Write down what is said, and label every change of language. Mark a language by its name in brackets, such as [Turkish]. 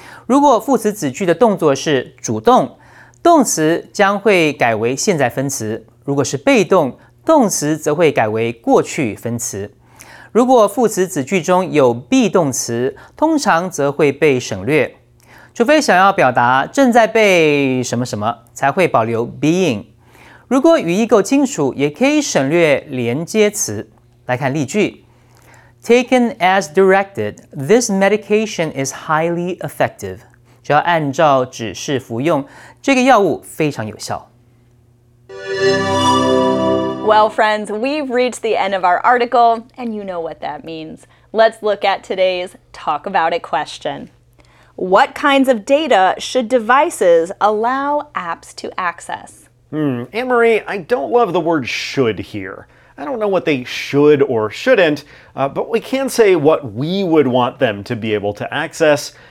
[Chinese] 如果副词子句的动作是主动，动词将会改为现在分词；如果是被动，动词则会改为过去分词。如果副词子句中有 be 动词，通常则会被省略，除非想要表达正在被什么什么，才会保留 being。如果语义够清楚，也可以省略连接词。来看例句 [English] ：Taken as directed, this medication is highly effective. [Chinese] 只要按照指示服用，这个药物非常有效。 [English] Well, friends, we've reached the end of our article, and you know what that means. Let's look at today's talk about it question. What kinds of data should devices allow apps to access? Anne-Marie, I don't love the word should here. I don't know what they should or shouldn't, but we can say what we would want them to be able to access.